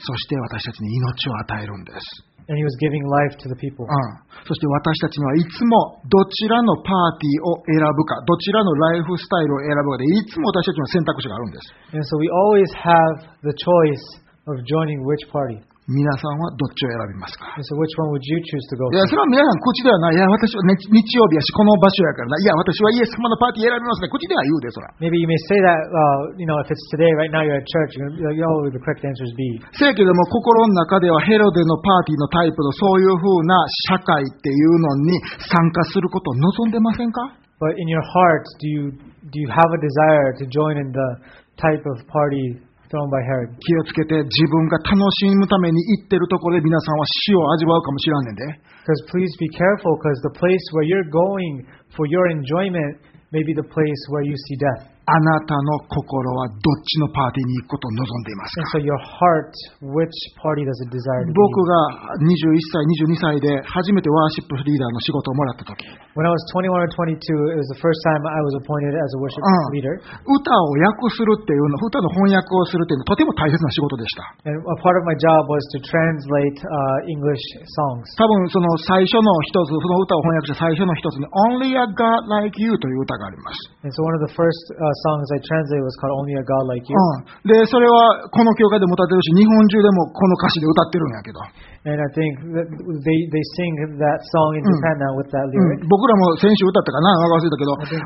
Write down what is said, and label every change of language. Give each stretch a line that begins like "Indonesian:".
Japanese: そして私たちに命を与えるんです。
English: And he was giving life to the people. うん。
Japanese: そして私たちにはいつもどちらのパーティーを選ぶか、どちらのライフスタイルを選ぶかでいつも私たちの選択肢があるんです。
English: And so we always have the choice of joining which party.
Japanese: 皆さんはどっちを選びますか？
English: So、which one would you choose to go
Japanese: いやそれは皆さん口ではない。いや私は、ね、日曜日やしこの場所やからな。いや私はイエス様のパーティー選びますね。口では言うでそら。
English: Maybe you may say that, you know, if it's today, right now you're at church, you're the correct answer is B.
Japanese: せやけども心の中ではヘロデのパーティーのタイプのそういう風な社会っていうのに参加することを望んでませんか？
English: But in your heart, do you have a desire to join in the type of party? By Herod.
Japanese: 気をつけて自分が楽しむために行ってるところで皆さんは死を味わうかもしれないんで。
English: Because please be careful, because the place where you're going for your enjoyment may be the place where you see death.
Japanese: あなたの心はどっちのパーティーに行くことを望んでいますか？
English: And so your heart, which party does it desire to be?
Japanese: 僕が21歳、22歳で初めてワーシップリーダーの仕事をもらったとき。
English: When I was 21 or 22, it was the first time I was appointed as a worship leader.、
Japanese: うん、歌を訳するっていうの、歌の翻訳をするっていうのはとても大切な仕事でした。
English: And a part of my job was to translate English songs.
Japanese: 多分その最初の一つ、その歌を翻訳した最初の一つに Only a God Like You という歌があります。
English: And so one of the first songs I translated was called Only a God Like You.、
Japanese: うん、で、それはこの教会でも歌ってるし、日本中でもこの歌詞で歌ってるんやけど。
English: And I think that they sing that song in Japan now with that lyric.、
Japanese: うん僕らも先週歌ったかな忘れたけど、